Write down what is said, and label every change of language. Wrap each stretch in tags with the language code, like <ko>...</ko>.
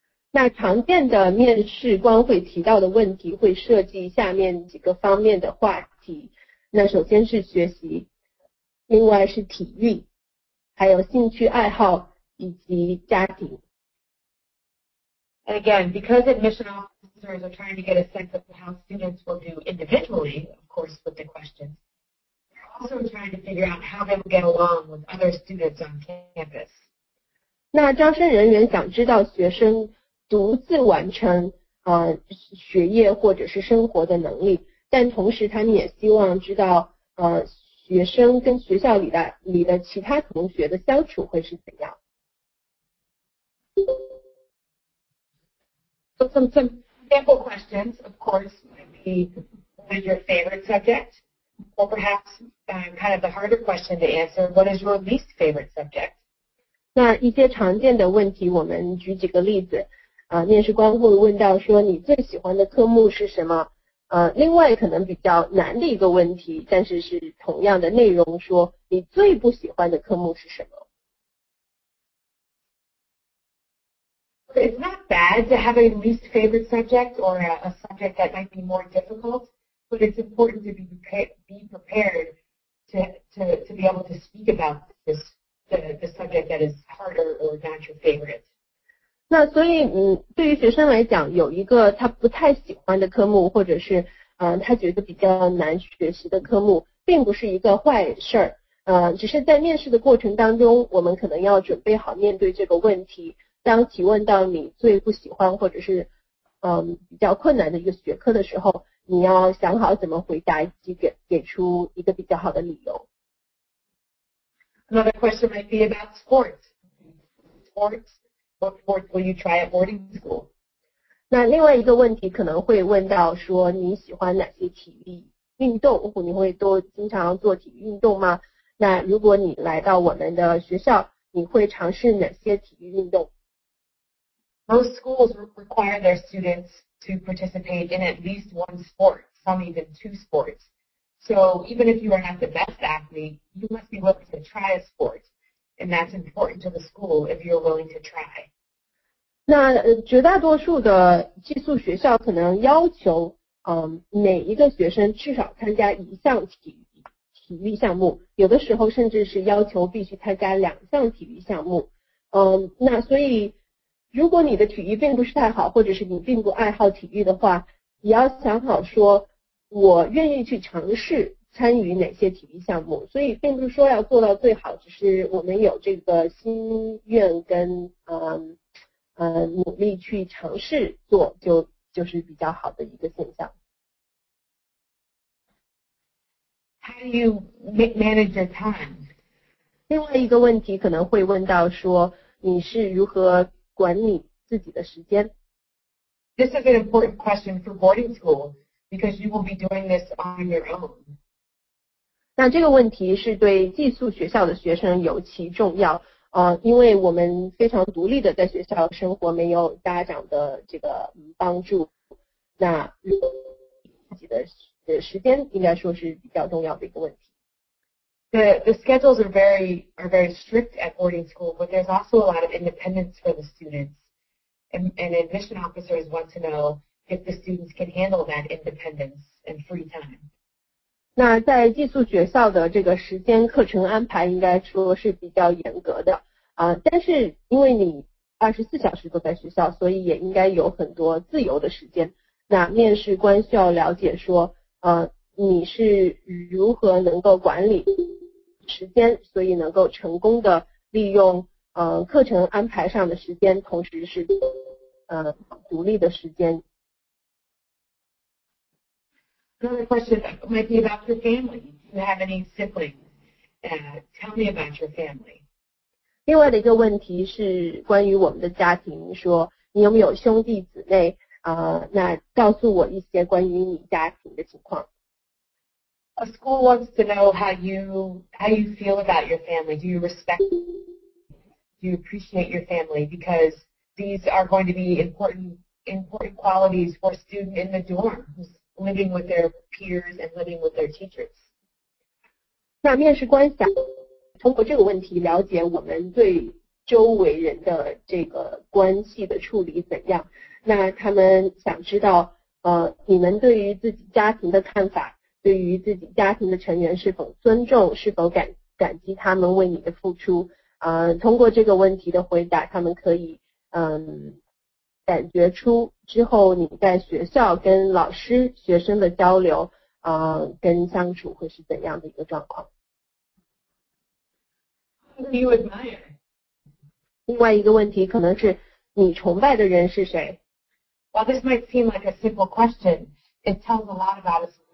<zh>那常见的面试官会提到的问题会涉及下面几个方面的话题，那首先是学习，另外是体育，还有兴趣爱好以及家庭。</zh> <en>And again, because admission officers are trying to get a sense of how students will do individually, of course, with the questions. Also trying to figure out how they will get along with other students on campus.</en> <zh>那招生人员想知道学生独自完成学业或者是生活的能力，但同时他们也希望知道学生跟学校里的你的其他同学的相处会是怎样。</zh> <en>So some sample questions, of course, might be what is your favorite subject? Or perhaps kind of the harder question to answer, what is your least favorite subject?</en> <zh>那一些常见的问题，我们举几个例子。面试官会问到说你最喜欢的科目是什么？另外可能比较难的一个问题，但是是同样的内容，说你最不喜欢的科目是什么？</zh> <en>It's not bad to have a least favorite subject or a subject that might be more difficult, but it's important to be prepared to be able to speak about this, the subject that is harder or not your favorite.</en> <zh>那所以对于学生来讲，有一个他不太喜欢的科目，或者是他觉得比较难学习的科目，并不是一个坏事儿。只是在面试的过程当中，我们可能要准备好面对这个问题。当提问到你最不喜欢或者是比较困难的一个学科的时候，你要想好怎么回答，以及给出一个比较好的理由。</zh> <en>Another question might be about sports. Sports, what sports will you try at boarding school?</en> <zh>那另外一个问题可能会问到说你喜欢哪些体育运动，你会多经常做体育运动吗？那如果你来到我们的学校，你会尝试哪些体育运动？</zh> <en>Most schools require their students to participate in at least one sport, some even two sports. So even if you are not the best athlete, you must be willing to try a sport. And that's important to the school if you're willing to try.</en> <zh>那绝大多数的寄宿学校可能要求每一个学生至少参加一项体育项目，有的时候甚至是要求必须参加两项体育项目。那所以如果你的体育并不是太好，或者是你并不爱好体育的话，你要想好说我愿意去尝试参与哪些体育项目。所以并不是说要做到最好，只是我们有这个心愿跟努力去尝试做，就是比较好的一个现象。</zh> <en>How do you manage your time?</en> <zh>另外一个问题可能会问到说你是如何管理自己的时间。</zh> <en>This is an important question for boarding school because you will be doing this on your own.</en> <zh>那这个问题是对寄宿学校的学生尤其重要，因为我们非常独立的在学校生活，没有家长的这个帮助。那如果自己的时间应该说是比较重要的一个问题。</zh> <en>The schedules are very strict at boarding school, but there's also a lot of independence for the students. And admission officers want to know if the students can handle that independence and free time.</en> <zh>那在寄宿学校的这个时间课程安排应该说是比较严格的，但是因为你24小时都在学校，所以也应该有很多自由的时间。那面试官需要了解说，你是如何能够管理时间，所以能够成功的利用课程安排上的时间，同时是独立的时间。</zh> <en>Another question might be about your family. Do you have any siblings? Tell me about your family.</en> <zh>另外的一个问题是关于我们的家庭，说你有没有兄弟姊妹？那告诉我一些关于你家庭的情况。</zh> <en>A school wants to know how you feel about your family. Do you respect, do you appreciate your family? Because these are going to be important qualities for a student in the dorms, living with their peers and living with their teachers.</en> <zh>那面试官想通过这个问题了解我们对周围人的这个关系的处理怎样。那他们想知道你们对于自己家庭的看法，对于自己家庭的成员是否尊重，是否感激他们为你的付出。通过这个问题的回答，他们可以感觉出之后你在学校跟老师学生的交流跟相处会是怎样的一个状况。另外一个问题可能是你崇拜的人是谁。</zh> <en>While this might seem like a simple question, it tells a lot about us.</en>